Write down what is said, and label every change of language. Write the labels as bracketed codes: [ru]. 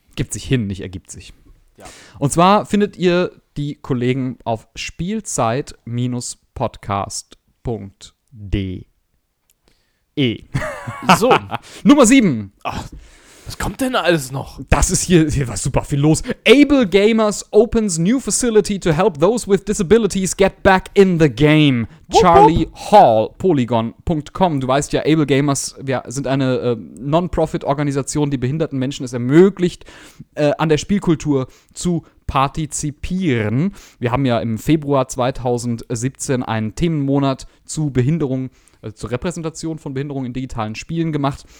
[de] Gibt sich hin, nicht ergibt sich. Ja. Und zwar findet ihr die Kollegen auf spielzeit-podcast.de. So. Nummer 7. Ach, was kommt denn alles noch? Das ist hier war super viel los. [en] Able Gamers opens new facility to help those with disabilities get back in the game. Whoop, Charlie whoop. Hall, Polygon.com. [de] Du weißt ja, Able Gamers, wir sind eine Non-Profit-Organisation, die behinderten Menschen es ermöglicht, an der Spielkultur zu partizipieren. Wir haben ja im Februar 2017 einen Themenmonat zu Behinderung, also zur Repräsentation von Behinderung in digitalen Spielen gemacht.